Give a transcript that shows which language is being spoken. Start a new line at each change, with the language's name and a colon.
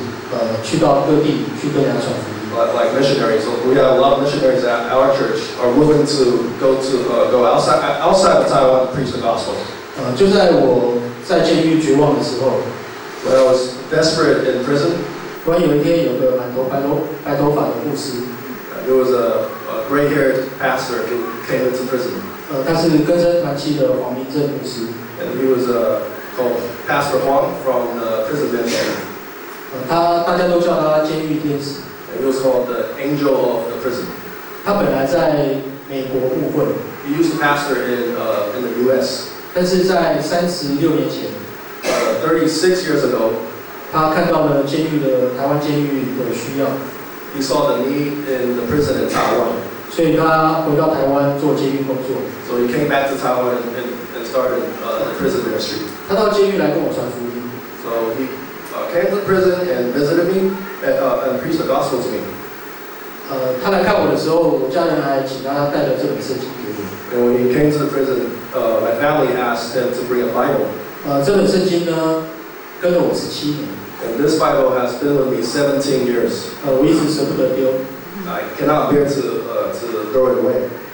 Chinese: 就很像宣教士，我们教会很多宣教士，去到各地去跟人家传福音。
English: Like missionaries, we have a lot of missionaries at our church are willing to go outside of Taiwan to preach the gospel.
Chinese: 就在我在监狱绝望的时候。
English: When I was desperate in prison.
Chinese: 突然有一天，有个满头白头发的牧师。
English: There was a gray-haired pastor who came into prison.
Chinese: 他是根生团契的黄明正牧师。
English: And he was called Pastor Huang from the prison ministry.
Chinese: 大家都叫他监狱天使。
English: And he was called the angel of the prison.
Chinese: 他本来在美国牧会。
English: He used to pastor in the US.
Chinese: 但是在36年前。
English: 36 years ago,
Chinese: 他看到了监狱的台湾监狱的需要。
English: He saw the need in the prison in Taiwan.
Chinese: 所以他回到台湾做监狱工作。
English: So he came back to Taiwan and started the prison ministry.
Chinese: 他到监狱来跟我传福音。
English: So he came to prison and visited me and preached the gospel to me.
Chinese: 他来看我的时候，我家人还请他带了这本圣经给我。
English: When he came to the prison, my family asked him to bring a Bible.
Chinese: 这本圣经呢，跟了我17年。
English: And this Bible has been with me 17 years.
Chinese: 我一直舍不得丢。
English: I cannot bear to throw it away.